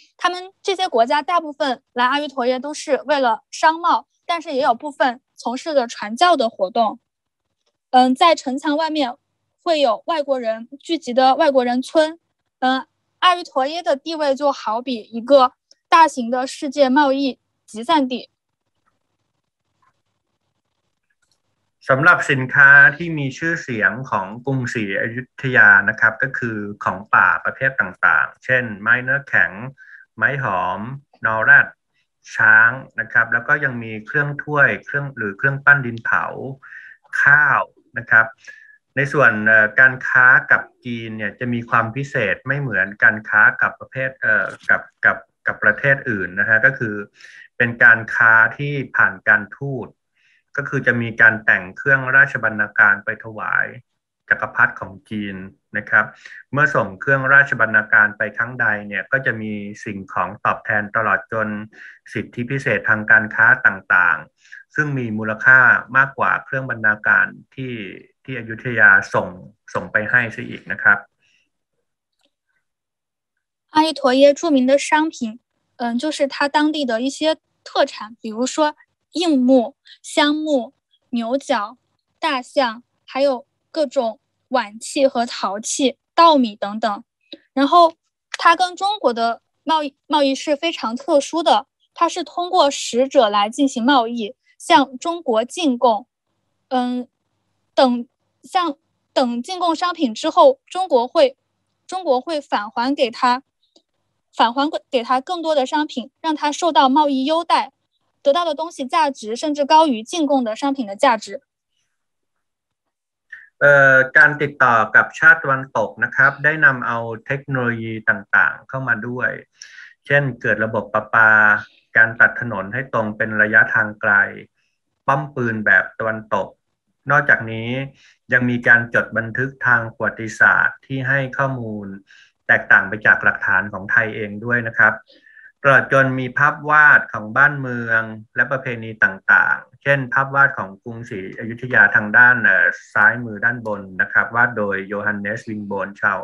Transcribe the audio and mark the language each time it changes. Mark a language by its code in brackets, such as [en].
[zh] 他们这些国家大部分来阿育陀耶都是为了商贸，但是也有部分从事的传教的活动。在城墙外面会有外国人聚集的外国人村。阿育陀耶的地位就好比一个大型的世界贸易集散地。 [th] สำหรับสินค้าที่มีชื่อเสียงของกรุงศรีอยุธยานะครับก็คือของป่าประเภทต่างๆเช่นไม้เนื้อแข็งไม้หอมนอแรดช้างนะครับแล้วก็ยังมีเครื่องถ้วยหรือเครื่องปั้นดินเผาข้าวนะครับในส่วนการค้ากับจีนเนี่ยจะมีความพิเศษไม่เหมือนการค้ากับประเภท กับประเทศอื่นนะฮะก็คือเป็นการค้าที่ผ่านการทูตก็คือจะมีการแต่งเครื่องราชบรรณาการไปถวายจักรพรรดิของจีนนะครับเมื่อส่งเครื่องราชบรรณาการไปครั้งใดเนี่ยก็จะมีสิ่งของตอบแทนตลอดจนสิทธิพิเศษทางการค้าต่างๆซึ่งมีมูลค่ามากกว่าเครื่องบรรณาการที่อยุธยาส่งไปให้ซะอีกนะครับ [zh] อายุทัวเย่著名的商品就是它当地的一些特产比如说硬木、香木、牛角、大象，还有各种碗器和陶器、稻米等等。然后，它跟中国的贸易是非常特殊的，它是通过使者来进行贸易，向中国进贡，等进贡商品之后，中国会返还给他更多的商品，让他受到贸易优待。得到的东西价值甚至高于进贡的商品的价值。 [th] การติดต่อกับชาติตะวันตกนะครับได้นำเอาเทคโนโลยีต่างๆเข้ามาด้วยเช่นเกิดระบบประปาการตัดถนนให้ตรงเป็นระยะทางไกล ป้อมปืนแบบตะวันตกนอกจากนี้ยังมีการจดบันทึกทางประวัติศาสตร์ที่ให้ข้อมูลแตกต่างไปจากหลักฐานของไทยเองด้วยนะครับตลอดจนมีภาพวาดของบ้านเมืองและประเพณีต่างๆเช่นภาพวาดของกรุงศรีอยุธยาทางด้านซ้ายมือด้านบนนะครับวาดโดยโยฮันเนสวินโบนช